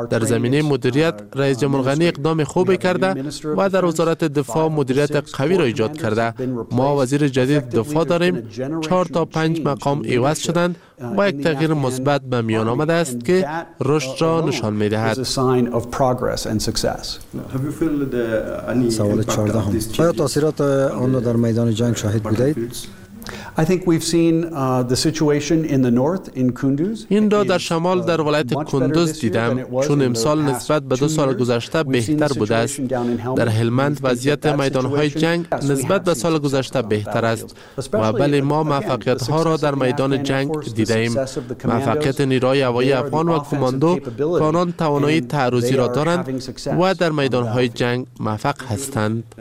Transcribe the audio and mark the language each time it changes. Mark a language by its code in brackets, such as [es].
[fa] در زمینه مدیریت رئیس جمهور غنی اقدام خوبی کرده و در وزارت دفاع مدیریت قوی را ایجاد کرده. ما وزیر جدید دفاع داریم. 4 تا 5 مقام عوض شدند با یک تغییر مثبت به میان آمده است که رشد را نشان می دهد. سوال 14 هم. آیا تاثیرات آن را در میدان جنگ شاهد بودید؟ [en] I think we've seen the situation in the north in Kunduz. [fa] این را در شمال در ولایت کندوز دیدم، چون امسال نسبت به دو سال گذشته بهتر بوده است. در هلمند وضعیت میدان‌های جنگ نسبت به سال گذشته بهتر است. و بله، ما موفقیت‌ها را در میدان جنگ دیدیم. موفقیت نیروهای هوایی افغان و کماندو، کانون توانایی تعرضی را دارند و در میدان‌های جنگ موفق هستند.